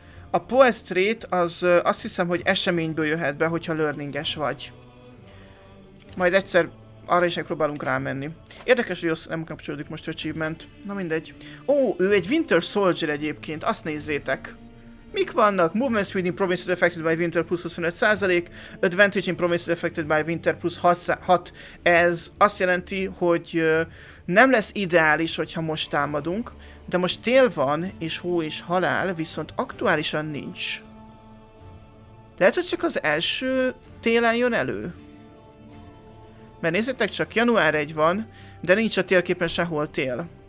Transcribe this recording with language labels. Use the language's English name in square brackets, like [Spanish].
[Hungarian] A poet trait az azt hiszem, hogy eseményből jöhet be, hogyha learninges vagy. Majd egyszer... arra is megpróbálunk rámenni. Érdekes, hogy nem kapcsolódik most a achievement. Na mindegy. Ó, ő egy Winter Soldier egyébként, azt nézzétek. Mik vannak? [English] Movement speed in provinces affected by winter plusz 25%, advantage in provinces affected by winter plusz 6%. [Hungarian] Ez azt jelenti, hogy nem lesz ideális, hogyha most támadunk, de most tél van, és hó és halál, viszont aktuálisan nincs. Lehet, hogy csak az első télen jön elő. Mert nézzétek, csak január 1 van, de nincs a térképen sehol tél.